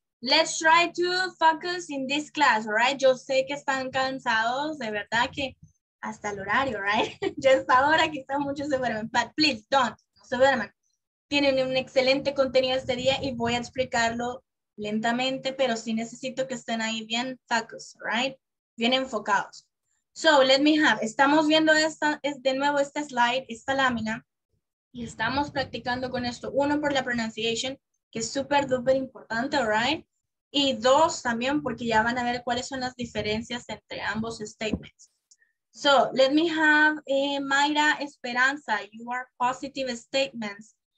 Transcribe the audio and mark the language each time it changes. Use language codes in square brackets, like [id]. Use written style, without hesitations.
[en] Let's try to focus in this class, all right? [es] Yo sé que están cansados, de verdad que... Hasta el horario, right? Ya es ahora que están muchos se duermen. [en] But please, don't. [es] No se duerman. Tienen un excelente contenido este día y voy a explicarlo lentamente, pero sí necesito que estén ahí bien focused, right? Bien enfocados. So, let me have. Estamos viendo esta, de nuevo este slide, esta lámina. Y estamos practicando con esto. Uno, por la pronunciation, que es súper, súper importante, right? Y dos, también porque ya van a ver cuáles son las diferencias entre ambos statements. [en] So, let me have Mayra Esperanza, you are positive statements.